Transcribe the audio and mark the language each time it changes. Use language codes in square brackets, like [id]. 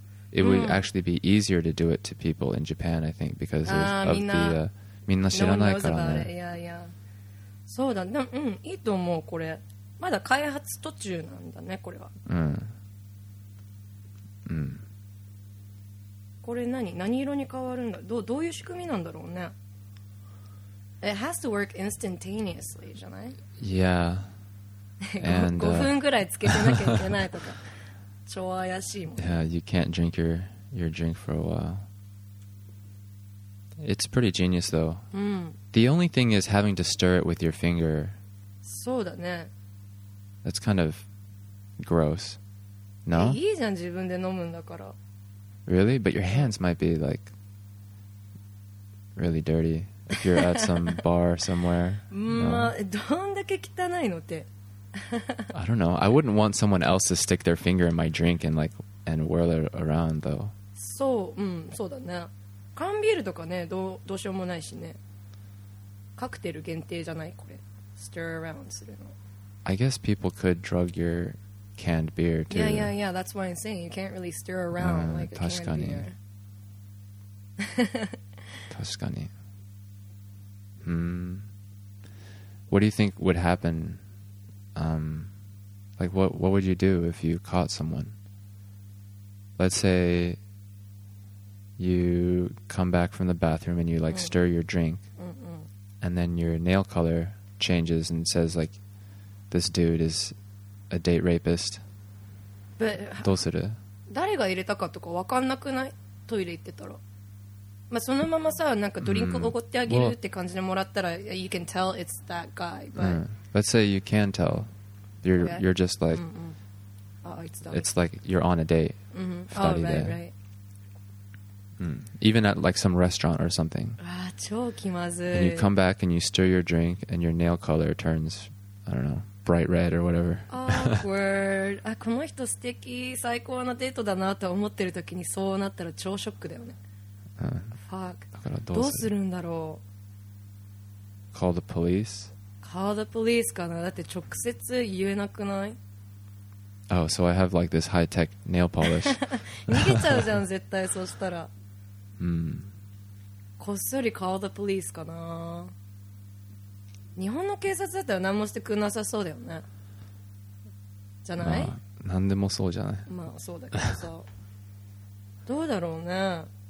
[en] It would actually be easier to do it to people in Japan, I think, because of the, [ja] みんな知らないからね。いやいや、そうだね。うん、いいと思う。これまだ開発途中なんだね、これは。うん、うん、これ何色に変わるんだ、どういう仕組みなんだろうね。 [en] It has to work instantaneously [ja] じゃない。 [en] Yeah. [ja] And, 5分くらいつけてなきゃいけないとか超怪しいもん。 [en] Yeah, you can't drink your drink for a while. It's pretty genius though. The only thing is having to stir it with your finger. [ja] そうだね。 [en] That's kind of gross. No? [ja] いいじゃん、自分で飲むんだから。 [en] Really? But your hands might be like really dirty if you're at some bar somewhere. [ja] まあ、どんだけ汚いのって。 [en] I don't know. I wouldn't want someone else to stick their finger in my drink and like and whirl it around though. [ja] そう、うん、そうだね。缶ビールとかね、どうしようもないしね。カクテル限定じゃないこれ。 [en] Stir around [ja] するの。 [en] I guess people could drug your canned beer too. Yeah, yeah, yeah. That's why I'm saying you can't really stir around like a canned beer. [ja] 確かに。 [en] What do you think would happen? Like what would you do if you caught someone? Let's say. You come back from the bathroom and you like stir your drink, and then your nail color changes and says like, "This dude is a date rapist." But [ja] どうする？誰が入れたかとか分かんなくない？トイレ行ってたら、まあそのままさなんかドリンクおごってあげるって感じでもらったら、 [en] you can tell it's that guy. But let's say you can tell, you're just like, it's like you're on a date. Mm-hmm. Oh, right. Even at like some restaurant or something. [ja] Ah, 超気まずい。 [en] And you come back and you stir your drink and your nail color turns, I don't know, bright red or whatever. Awkward. [ja] あ、この人素敵、最高なデートだなと思ってる時にそうなったら超ショックだよね。 [en] Fuck. [ja] だからどうするんだろう。 [en] Call the police? Call the police かな。 [ja] だって直接言えなくない？ [en] Oh, so I have like this high-tech nail polish. [ja] 逃げちゃうじゃん、絶対そしたら。うん、こっそり [en] call the police かな。 [ja] 日本の警察だったら何もしてくれなさそうだよね。じゃない、まあ、何でもそうじゃない。まあそうだけどさ。どうだろうね。